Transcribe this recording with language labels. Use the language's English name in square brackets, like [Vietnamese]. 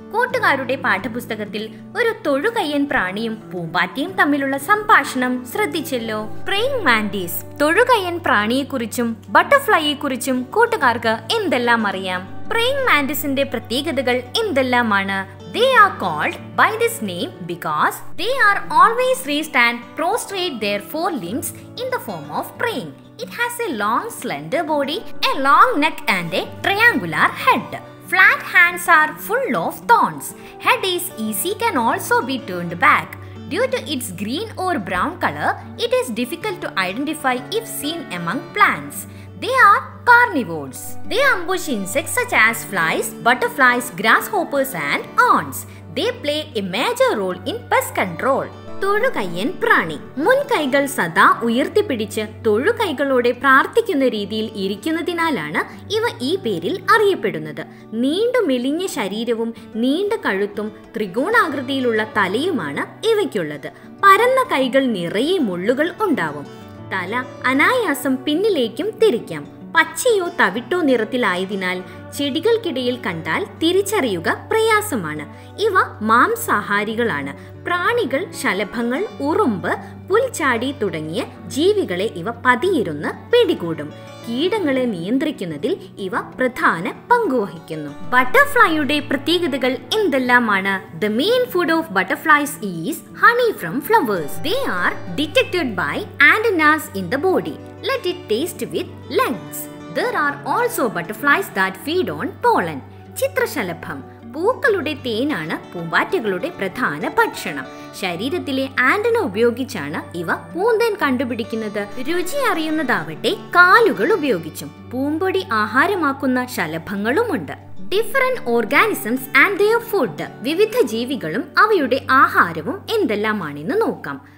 [Malayalam] കൂട്ടുകാരുടെ പാഠപുസ്തകത്തിൽ ഒരു തൊഴുകയ്യൻ പ്രാണിയും പൂമ്പാറ്റയും തമ്മിലുള്ള സംഭാഷണം ശ്രദ്ധിച്ചല്ലോ. പ്രെയിങ് മാൻഡീസ്, തൊഴുകയ്യൻ പ്രാണിയെക്കുറിച്ചും ബട്ടർഫ്ലൈയെക്കുറിച്ചും കൂട്ടുകാർക്ക് എന്തെല്ലാം അറിയാം? പ്രെയിങ് മാൻഡീസിന്റെ പ്രത്യേകതകൾ എന്തെല്ലാമാണ്? [English] They are called by this name because they are always raised and prostrate their four limbs in the form of praying. It has a long slender body, a long neck and a triangular head. Flat hands are full of thorns. Head is easy can also be turned back. Due to its green or brown color, it is difficult to identify if seen among plants. They are carnivores. They ambush insects such as flies, butterflies, grasshoppers and ants. They play a major role in pest control. [Malayalam] തൊഴുകയ്യൻ പ്രാണി. മുൻകൈകൾ സദാ ഉയർത്തിപ്പിടിച്ച് തൊഴുകൈകളോടെ പ്രാർത്ഥിക്കുന്ന രീതിയിൽ ഇരിക്കുന്നതിനാലാണ് ഇവ ഈ പേരിൽ അറിയപ്പെടുന്നത്. നീണ്ടു മെലിഞ്ഞ ശരീരവും നീണ്ട കഴുത്തും ത്രികോണാകൃതിയിലുള്ള തലയുമാണ് ഇവയ്ക്കുള്ളത്. പരന്ന കൈകൾ നിറയെ മുള്ളുകൾ ഉണ്ടാവും. തല അനായാസം പിന്നിലേക്കും തിരിക്കാം. പച്ചയോ തവിട്ടോ നിറത്തിലായതിനാൽ ചെടികൾക്കിടയിൽ കണ്ടാൽ തിരിച്ചറിയുക പ്രയാസമാണ്. ഇവ മാംസാഹാരികളാണ്. പ്രാണികൾ, ശലഭങ്ങൾ, ഉറുമ്പ്, പുൽച്ചാടി തുടങ്ങിയ ജീവികളെ ഇവ പതിയിരുന്ന് പിടികൂടും. കീടങ്ങളെ നിയന്ത്രിക്കുന്നതിൽ ഇവ പ്രധാന പങ്കുവഹിക്കുന്നു. ബട്ടർഫ്ലൈയുടെ പ്രത്യേകതകൾ എന്തെല്ലാമാണ്? [English] The main food of butterflies is honey from flowers. They are detected by antennas in the body. Let it taste with legs. There are also butterflies that feed on pollen. [Malayalam] Chitrashalabham. പൂക്കളുടെ തേനാണ് പൂമ്പാറ്റകളുടെ പ്രധാന ഭക്ഷണം. ശരീരത്തിലെ ആന്റന ഉപയോഗിച്ചാണ് ഇവ പൂന്തേൻ കണ്ടുപിടിക്കുന്നത്. രുചി അറിയുന്നതാവട്ടെ കാലുകൾ ഉപയോഗിച്ചും. പൂമ്പൊടി ആഹാരമാക്കുന്ന ശലഭങ്ങളുമുണ്ട്. [English] Different organisms and their food. [Malayalam] വിവിധ ജീവികളും അവയുടെ ആഹാരവും എന്തെല്ലാമാണെന്ന് നോക്കാം.